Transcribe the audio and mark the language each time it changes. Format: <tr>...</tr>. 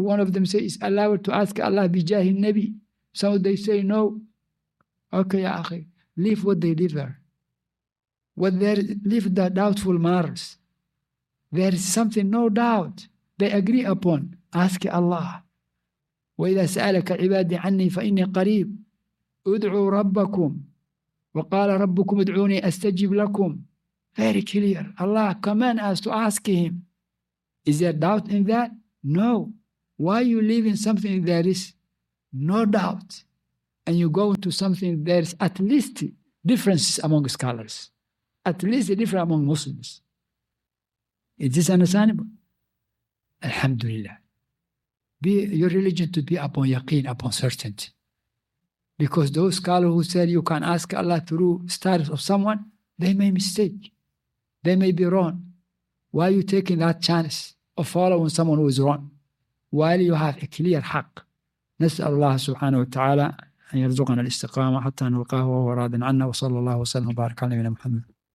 <en>One of them say, it's allowed to ask Allah bijahi nabi. Some they say, no. Okay, ya akhi, leave what they differ. What there, leave the doubtful matters. There is something, no doubt, they agree upon. Ask Allah.</en> <ar>وإذا سألك عبادي عني فإني قريب أدعو ربكم وقال ربكم ادعوني أستجب لكم.</ar> <en>Very clear. Allah command us to ask him. Is there doubt in that? No. Why you live in something there is no doubt and you go to something there's at least differences among scholars, at least different among Muslims? Is this understandable? Alhamdulillah. Be your religion to be upon yaqeen, upon certainty. Because those scholars who said you can ask Allah through status of someone, they may mistake. They may be wrong. Why are you taking that chance of following someone who is wrong? While you have a clear haq.</en> <ar>نسأل الله سبحانه وتعالى أن يرزقنا الاستقامة حتى نلقاه وهو راض عنا وصلى الله وسلم وبارك على نبينا محمد.</ar>